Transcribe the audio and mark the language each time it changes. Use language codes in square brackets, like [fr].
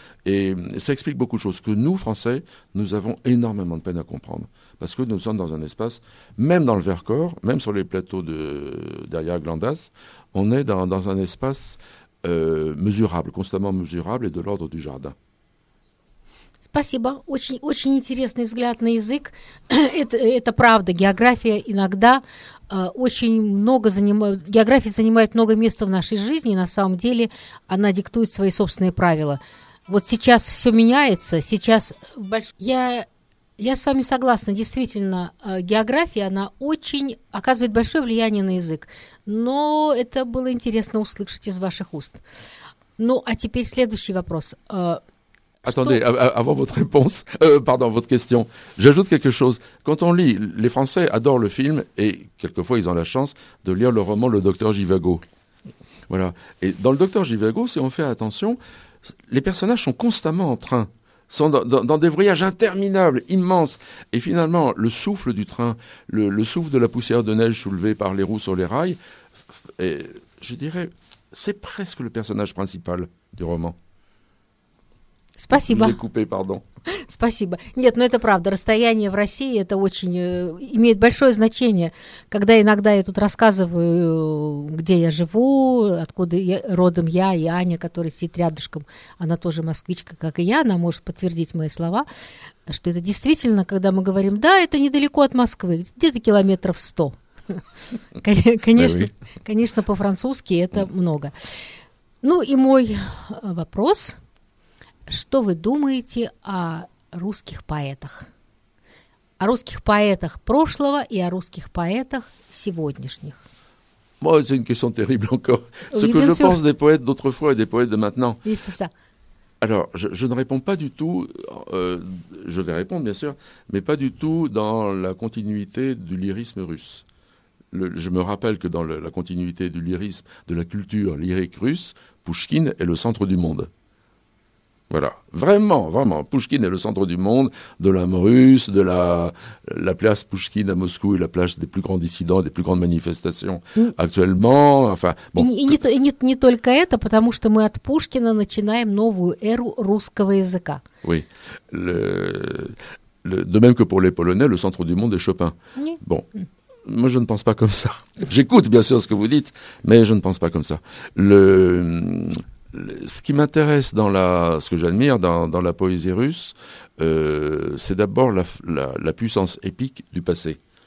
[fr] Et ça explique beaucoup de choses que nous, Français, nous avons énormément de peine à comprendre. Parce que nous sommes dans un espace, même dans le Vercors, même sur les plateaux derrière Glandas, on est dans un espace mesurable, constamment mesurable, et de l'ordre du jardin. [ru] Спасибо. Очень, очень интересный взгляд на язык. Это правда. География иногда очень много занимает... География занимает много места в нашей жизни, и на самом деле она диктует свои собственные правила. Вот сейчас все меняется, сейчас... Я с вами согласна. Действительно, география, она очень оказывает большое влияние на язык. Но это было интересно услышать из ваших уст. Ну, а теперь следующий вопрос. [fr] Attendez, avant votre réponse, votre question, j'ajoute quelque chose. Quand on lit, les Français adorent le film et quelquefois ils ont la chance de lire le roman Le Docteur Jivago. Voilà. Et dans le docteur Jivago, si on fait attention, les personnages sont constamment en train, sont dans des voyages interminables, immenses. Et finalement, le souffle du train, le souffle de la poussière de neige soulevée par les roues sur les rails, je dirais, c'est presque le personnage principal du roman. [ru] Спасибо. Я купил, [fr] pardon. [ru] Спасибо. Нет, но это правда. Расстояние в России это очень имеет большое значение. Когда иногда я тут рассказываю, где я живу, откуда я, родом я и Аня, которая сидит рядышком, она тоже москвичка, как и я, она может подтвердить мои слова, что это действительно, когда мы говорим, да, это недалеко от Москвы, где-то километров 100. Конечно, по-французски это много. Ну и мой вопрос. Что вы думаете о русских поэтах? О русских поэтах прошлого и о русских поэтах сегодняшних? [fr] Oh, c'est une question terrible encore. Ce que je pense des poètes d'autrefois et des poètes de maintenant. Oui, c'est ça. Alors, je ne réponds pas du tout, je vais répondre bien sûr, mais pas du tout dans la continuité du lyrisme russe. Je me rappelle que dans la continuité du lyrisme, de la culture lyrique russe, Pushkin est le centre du monde. Voilà, vraiment, vraiment. Pushkin est le centre du monde, de l'âme russe, de la place Pushkin à Moscou est la place des plus grands dissidents, des plus grandes manifestations actuellement. Enfin, bon. [ru] Et ne только это, потому что мы от Пушкина начинаем новую эру русского языка. [fr] Oui, de même que pour les Polonais, le centre du monde est Chopin. Bon, moi je ne pense pas comme ça. J'écoute bien sûr ce que vous dites, mais je ne pense pas comme ça. Ce qui m'intéresse ce que j'admire dans la poésie russe, c'est d'abord la puissance épique du passé.